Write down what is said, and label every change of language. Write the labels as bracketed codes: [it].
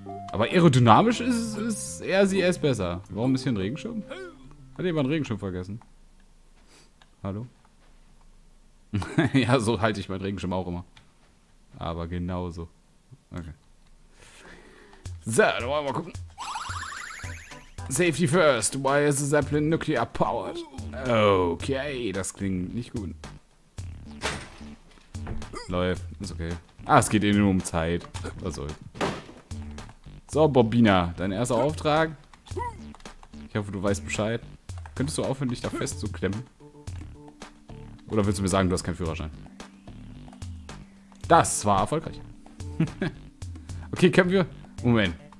[de] Aber aerodynamisch ist er sie es besser. Warum ist hier ein Regenschirm? Hat jemand einen Regenschirm vergessen? Hallo? Ja, so halte ich meinen Regenschirm auch immer. Aber genau so. Okay. So, dann wollen wir mal gucken. [en] Safety first. Why is the Zeppelin nuclear powered? [de] Okay, das klingt nicht gut. Läuft, ist okay. Ah, es geht eh nur um Zeit. Was soll's. So, Bobina, dein erster Auftrag. Ich hoffe, du weißt Bescheid. Könntest du aufhören, dich da festzuklemmen? Oder willst du mir sagen, du hast keinen Führerschein? Das war erfolgreich. Okay, können wir... Moment.